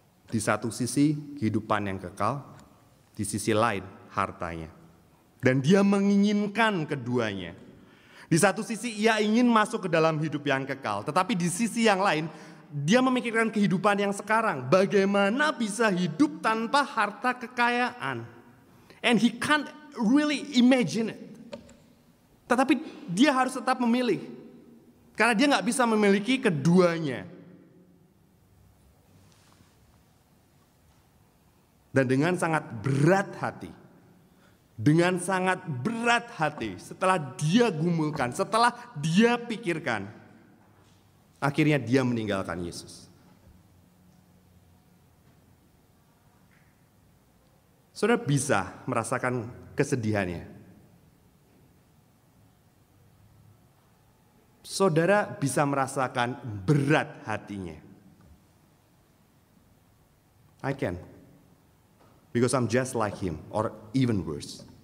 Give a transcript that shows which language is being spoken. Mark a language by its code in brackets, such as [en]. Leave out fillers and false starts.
[id] Di satu sisi kehidupan yang kekal, di sisi lain hartanya. Dan dia menginginkan keduanya. Di satu sisi ia ingin masuk ke dalam hidup yang kekal, tetapi di sisi yang lain dia memikirkan kehidupan yang sekarang. Bagaimana bisa hidup tanpa harta kekayaan? [en] And he can't really imagine it. [id] Tetapi dia harus tetap memilih. Karena dia gak bisa memiliki keduanya. Dan dengan sangat berat hati. Dengan sangat berat hati. Setelah dia gumulkan. Setelah dia pikirkan. Akhirnya dia meninggalkan Yesus. Saudara bisa merasakan kesedihannya. Saudara bisa merasakan berat hatinya. [en] I can. Because I'm just like him or even worse.